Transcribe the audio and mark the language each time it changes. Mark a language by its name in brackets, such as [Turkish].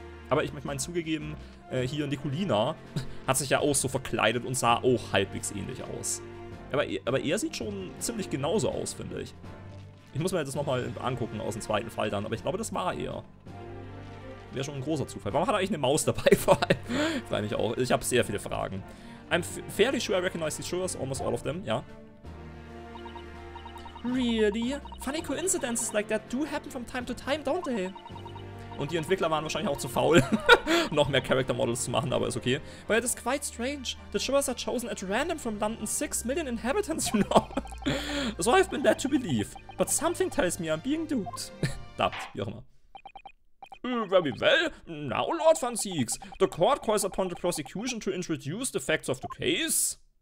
[German] Aber ich meine, zugegeben, hier Nicolina hat sich ja auch so verkleidet und sah auch halbwegs ähnlich aus. Aber er sieht schon ziemlich genauso aus, finde ich. Ich muss mir das nochmal angucken aus dem zweiten Fall dann, aber ich glaube, das war er. Wäre schon ein großer Zufall. Warum hat er eigentlich eine Maus dabei vor allem? Frage mich auch. Ich habe sehr viele Fragen. [English] I'm fairly sure I recognize these jurors, almost all of them, ja. Really? Funny coincidences like that do happen from time to time, don't they? [German] Und die Entwickler waren wahrscheinlich auch zu faul, noch mehr Character Models zu machen, aber ist okay. [English] But it is quite strange. The jurors are chosen at random from London's 6 million inhabitants, you know. So I've been led to believe. But something tells me I'm being duped. [German] Dubbed, wie auch immer. [English] Very well. Now, Lord von Sieks, the court calls upon the prosecution to introduce the facts of the case.